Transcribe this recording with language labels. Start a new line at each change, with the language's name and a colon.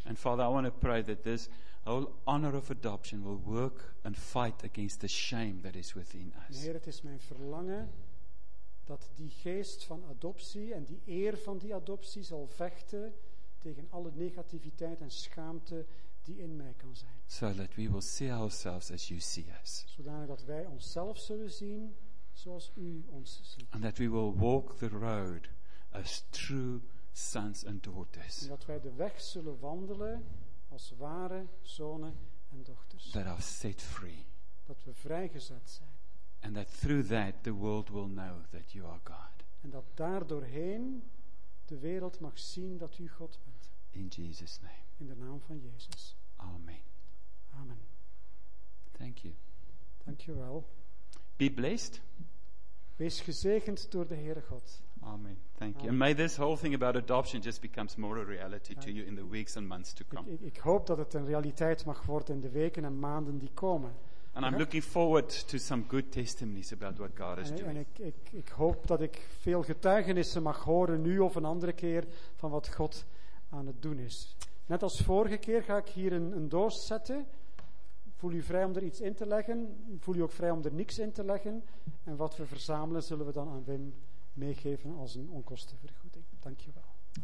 English: And Father, I want to pray that this whole honor of adoption will work and fight against the shame that is within us.
Dutch: Heer, het is mijn verlangen dat die geest van adoptie en die eer van die adoptie zal vechten tegen alle negativiteit en schaamte die in mij kan zijn.
English: So that we will see ourselves as you see us.
Dutch: Zodanig dat wij onszelf zullen zien zoals u ons ziet.
English: And that we will walk the road as true sons and daughters.
Dutch: En dat wij de weg zullen wandelen als ware zonen en dochters.
English: That are set free.
Dutch: Dat we vrijgezet zijn.
English: And that through that the world will know that you are God.
Dutch: En dat daardoorheen de wereld mag zien dat u God bent.
English: In Jesus' name.
Dutch: In de naam van Jezus.
English: Amen.
Dutch: Amen.
English: Thank you.
Dutch: Dank je wel.
English: Be blessed.
Dutch: Wees gezegend door de Heere God. Amen.
English: Thank you. And may this whole thing about adoption just becomes more a reality to you in the weeks and months to come.
Dutch: Ik hoop dat het een realiteit mag worden in de weken en maanden die komen.
English: And I'm looking forward to some good testimonies about what God is doing.
Dutch: En ik hoop dat ik veel getuigenissen mag horen nu of een andere keer van wat God aan het doen is. Net als vorige keer ga ik hier een doos zetten. Voel je vrij om er iets in te leggen. Voel je ook vrij om er niks in te leggen. En wat we verzamelen zullen we dan aan Wim meegeven als een onkostenvergoeding. Dank je wel.